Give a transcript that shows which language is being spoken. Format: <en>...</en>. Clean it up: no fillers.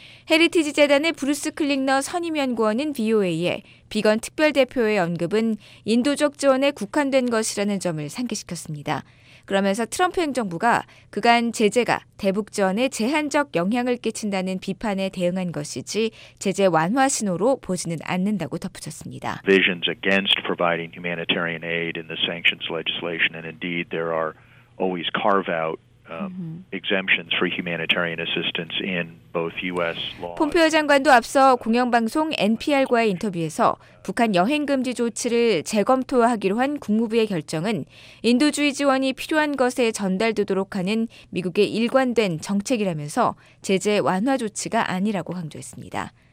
<ko>헤리티지 재단의 브루스 클릭너 선임연구원은 BOA에 비건 특별대표의 언급은 인도적 지원에 국한된 것이라는 점을 상기시켰습니다. 그러면서 트럼프 행정부가 그간 제재가 대북 지원에 제한적 영향을 끼친다는 비판에 대응한 것이지 제재 완화 신호로 보지는 않는다고 덧붙였습니다.</ko> <en>Visions against providing humanitarian aid in the sanctions legislation and indeed there are always carve out exemptions for humanitarian assistance in both U.S. laws.</en> <ko>폼페이오 장관도 앞서 공영방송 NPR과의 인터뷰에서 북한 여행 금지 조치를 재검토하기로 한 국무부의 결정은 인도주의 지원이 필요한 것에 전달되도록 하는 미국의 일관된 정책이라면서 제재 완화 조치가 아니라고 강조했습니다.</ko>